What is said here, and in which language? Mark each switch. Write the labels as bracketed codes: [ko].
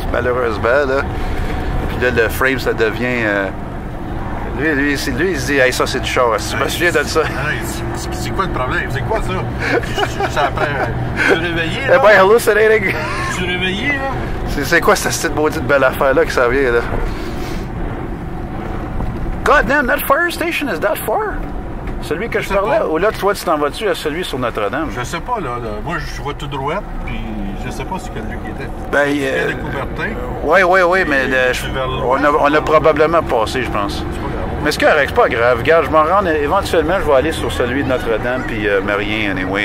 [fr] Malheureusement, là. Puis là, le frame, ça devient. Lui, il se dit, hey, ça, c'est du char. Tu me souviens de ça? C'est quoi le problème? C'est quoi ça? Ça après. Tu réveillais? Eh ben, hallucinating! Tu réveillais, là? C'est quoi cette maudite belle affaire-là qui s'en vient, là? [en] God damn, that fire station is that far? [fr] Celui que je parlais, ou là, toi, tu t'en vas-tu à celui sur Notre-Dame? Je sais pas, là. Moi, je vois tout droit, puis je sais pas ce que lui était. Ben, il était de Coubertin. Oui, mais on a probablement passé, je pense. C'est pas grave. Mais ce qui est c'est pas grave. Regarde, je m'en rends. Éventuellement, je vais aller sur celui de Notre-Dame, puis Marien, anyway.